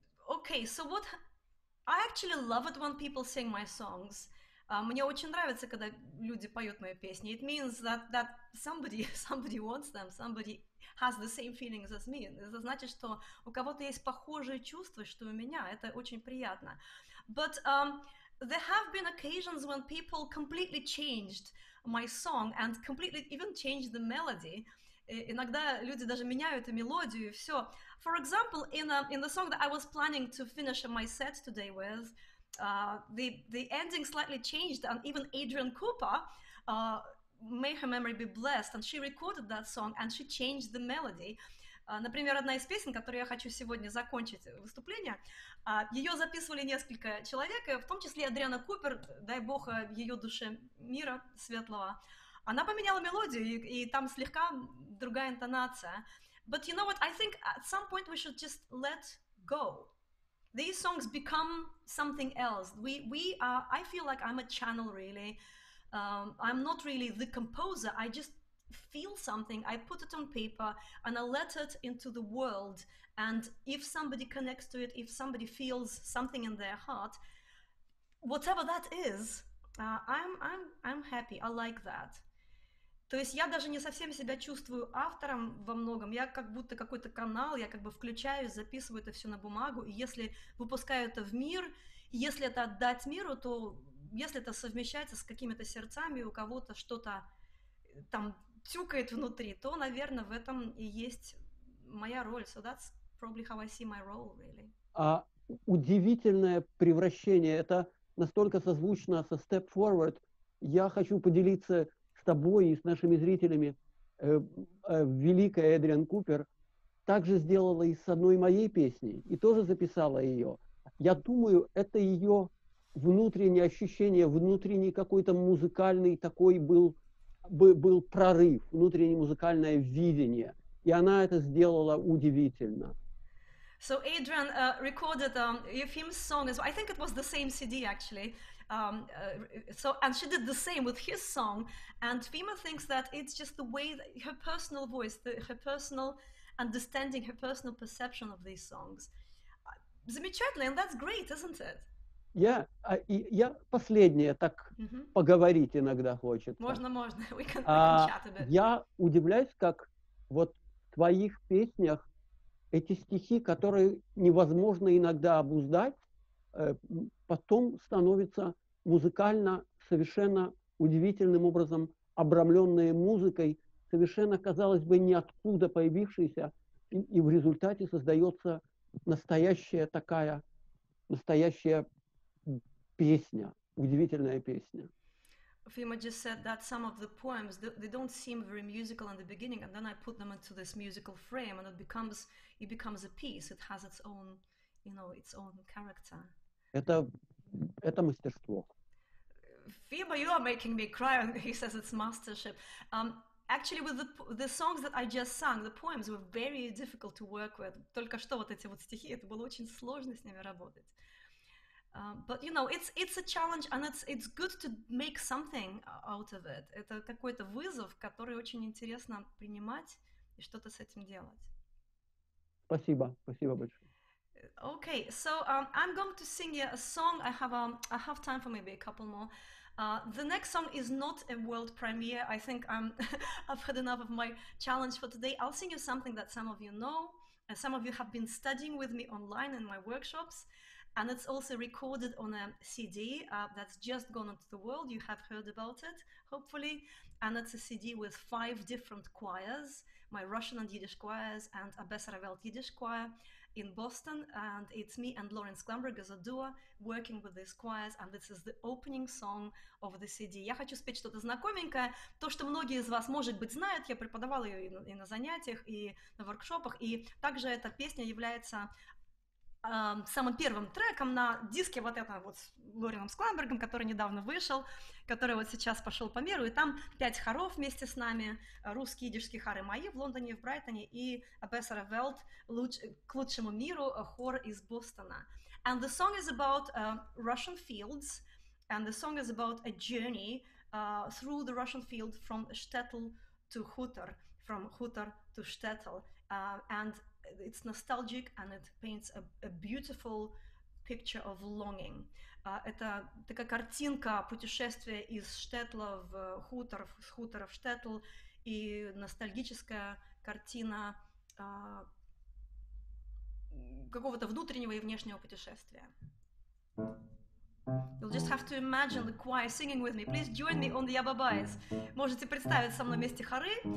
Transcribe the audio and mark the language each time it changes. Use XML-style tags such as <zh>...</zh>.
<en>Okay, so what? I actually love it when people sing my songs.</en> <ru>Мне очень нравится, когда люди поют мои песни.</ru> <en>It means that somebody wants them, somebody has the same feelings as me.</en> <ru>Это значит, что у кого-то есть похожие чувства, что у меня. Это очень приятно.</ru> <en>But there have been occasions when people completely changed my song and completely even changed the melody.</en> <ru>Иногда люди даже меняют и мелодию, и все.</ru> <en>For example, in the song that I was planning to finish my set today with, the ending slightly changed, and even Adrian Cooper, may her memory be blessed, and she recorded that song, and she changed the melody.</en> <ru>Например, одна из песен, которую я хочу сегодня закончить выступление, ее записывали несколько человек, в том числе Адриана Купер, дай бог ее душе мира светлого. Она поменяла мелодию, и там слегка другая интонация.</ru> <en>But you know what, I think at some point we should just let go. These songs become something else. We are, I feel like I'm a channel, really. I'm not really the composer. I just feel something. I put it on paper and I let it into the world. And if somebody connects to it, if somebody feels something in their heart, whatever that is, I'm happy. I like that.</en> <ru>То есть я даже не совсем себя чувствую автором во многом. Я как будто какой-то канал, я как бы включаюсь, записываю это все на бумагу. И если выпускаю это в мир, если это отдать миру, то если это совмещается с какими-то сердцами, у кого-то что-то там тюкает внутри, то, наверное, в этом и есть моя роль.</ru> <en>So that's probably how I see my role, really.</en> <ru>А удивительное превращение. Это настолько созвучно со Step Forward. Я хочу поделиться с тобой и с нашими зрителями. Великая Эдриан Купер также сделала и с одной моей песней, и тоже записала ее. Я думаю, это ее внутреннее ощущение, внутренний какой-то музыкальный такой был прорыв, внутреннее музыкальное видение. И она это сделала удивительно.</ru> <en>So Adrian recorded Yefim's song, as well. I think it was the same CD actually. So and she did the same with his song, and Fima thinks that it's just the way that her personal voice, her personal understanding, her personal perception of these songs.</en> <ru>Замечательно,</ru> <en>and that's great, isn't it?</en> <ru>Я последнее так поговорить иногда хочет. Можно,</ru> <en>we can chat a bit.</en> <ru>Я удивляюсь, как вот в твоих песнях эти стихи, которые невозможно иногда обуздать, потом становятся музыкально совершенно удивительным образом обрамленные музыкой, совершенно, казалось бы, ниоткуда появившейся, и в результате создается настоящая такая, настоящая песня, удивительная песня.</ru> <en>Fima just said that some of the poems, they don't seem very musical in the beginning, and then I put them into this musical frame, and it becomes a piece. It has its own, you know, its own character.</en> <ru>Это мастерство.</ru> <en>Fima, you are making me cry, and he says it's mastership. Actually, with the songs that I just sung, the poems were very difficult to work with.</en> <ru>Только что вот эти вот стихи, это было очень сложно с ними работать.</ru> <en>But you know, it's a challenge, and it's good to make something out of it.</en> <ru>Это какой-то вызов, который очень интересно принимать и что-то с этим делать. Спасибо большое.</ru> <en>Okay, so I'm going to sing you a song. I have time for maybe a couple more. The next song is not a world premiere. I think I've had enough of my challenge for today. I'll sing you something that some of you know, and some of you have been studying with me online in my workshops. And it's also recorded on a CD that's just gone into the world. You have heard about it, hopefully. And it's a CD with 5 different choirs, my Russian and Yiddish choirs and a Besaravelt Yiddish choir in Boston. And it's me and Lawrence Glamberg as a duo working with these choirs. And this is the opening song of the CD.</en> <ru>Я хочу спеть что-то знакоменькое. То, что многие из вас, может быть, знают, я преподавала ее и на занятиях, и на воркшопах. И также эта песня является самым первым треком на диске вот это вот с Лореном Скламбергом, который недавно вышел, который вот сейчас пошел по миру, и там 5 хоров вместе с нами, русские идишские хоры мои в Лондоне и в Брайтоне, и Besaravelt, к лучшему миру, хор из Бостона.</ru> <en>And the song is about Russian fields, and the song is about a journey through the Russian field from shtetl to хутор, from хутор to shtetl, and it's nostalgic and it paints a beautiful picture of longing.</en> <ru>Это такая картинка путешествия из штетла в хутор, с хутора в штетл, и ностальгическая картина какого-то внутреннего и внешнего путешествия.</ru> <en>You'll just have to imagine the choir singing with me. Please join me on the Ababais.</en> <ru>Можете представить со мной вместе хоры.</ru>